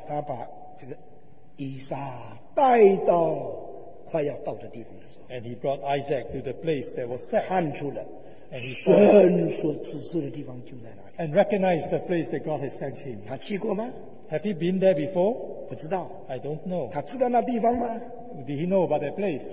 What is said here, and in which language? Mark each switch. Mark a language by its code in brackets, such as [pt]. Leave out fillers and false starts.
[zh] 他把这个以撒带到快要到的地方的时候。 [en] And he brought Isaac to the place that was set. [zh] 看出了。神所指示的地方就在哪里 [en] ？And recognize the place that God has sent him. [zh] 他去过吗 [en] ？Have he been there before? [zh] 不知道。 [en] I don't know. [zh] 他知道那地方吗 [en] ？Did he know about that place?